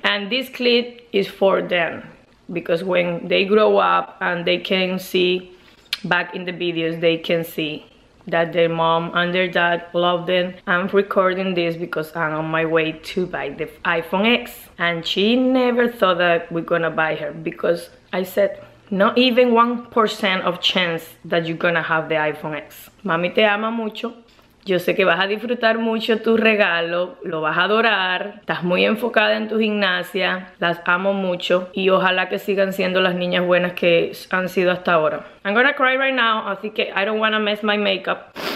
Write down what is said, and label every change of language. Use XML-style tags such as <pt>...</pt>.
<en>And this clip is for them, because when they grow up and they can see back in the videos, they can see that their mom and their dad love them. I'm recording this because I'm on my way to buy the iPhone X. And she never thought that we're gonna buy her, because I said, not even 1% of chance that you're gonna have the iPhone X.</en> <es>Mami te ama mucho. Yo sé que vas a disfrutar mucho tu regalo. Lo vas a adorar. Estás muy enfocada en tu gimnasia. Las amo mucho. Y ojalá que sigan siendo las niñas buenas que han sido hasta ahora.</es> <en>I'm gonna cry right now.</en> <es>Así que</es> <en>I don't wanna mess my makeup.</en>